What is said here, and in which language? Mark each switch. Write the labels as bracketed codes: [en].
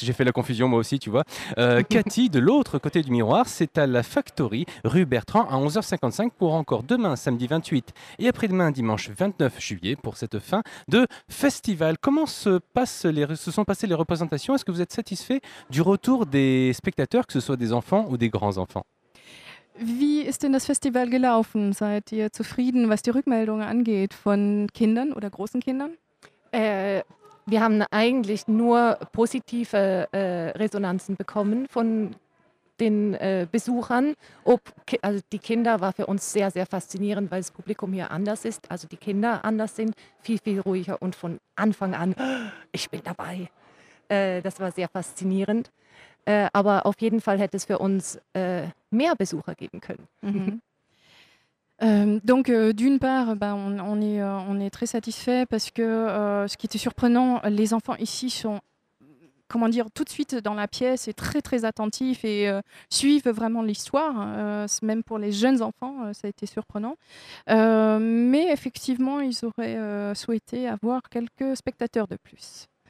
[fr] J'ai fait la confusion moi aussi, tu vois. Cathy, de l'autre côté du miroir, c'est à la Factory, rue Bertrand, à 11h55 pour encore demain, samedi 28 et après-demain, dimanche 29 juillet, pour cette fin de festival. Comment se sont passées les représentations? Est-ce que vous êtes satisfait du retour des spectateurs, que ce soit des enfants ou des grands-enfants? [de] Wie ist denn das Festival gelaufen? Seid ihr zufrieden, was die Rückmeldungen angeht von Kindern oder großen Kindern? Wir haben eigentlich nur positive Resonanzen bekommen von den Besuchern. Also die Kinder war für uns sehr, sehr faszinierend, weil das Publikum hier anders ist, also die Kinder anders sind, viel, viel ruhiger und von Anfang an, ich bin dabei. Das war sehr faszinierend. Aber auf jeden Fall hätte es für uns mehr Besucher geben können. Mhm. [fr] D'une part, on est très satisfait parce que ce qui était surprenant, les enfants ici sont, comment dire, tout de suite dans la pièce et très très attentifs et suivent vraiment l'histoire. Même pour les jeunes enfants, ça a été surprenant. Mais effectivement, ils auraient souhaité avoir quelques spectateurs de plus.